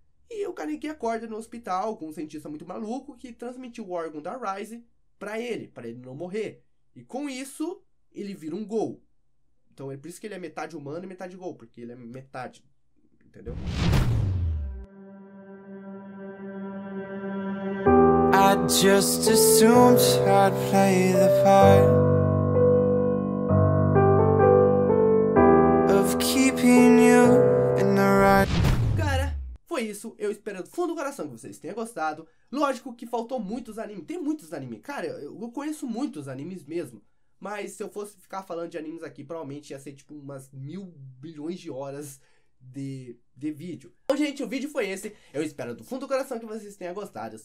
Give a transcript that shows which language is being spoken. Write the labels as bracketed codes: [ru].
[pt] E o Kaneki acorda no hospital com um cientista muito maluco que transmitiu o órgão da Rise pra ele não morrer. E com isso, ele vira um Ghoul. Então é por isso que ele é metade humano e metade Ghoul, porque ele é metade, entendeu? [en] I just assumed I'd play the part of keeping you in the right. [pt] Foi isso, eu espero do fundo do coração que vocês tenham gostado. Lógico que faltou muitos animes, tem muitos animes. Cara, eu conheço muitos animes mesmo. Mas se eu fosse ficar falando de animes aqui, provavelmente ia ser tipo umas 1.000 bilhões de horas de vídeo. Bom, gente, o vídeo foi esse. Eu espero do fundo do coração que vocês tenham gostado.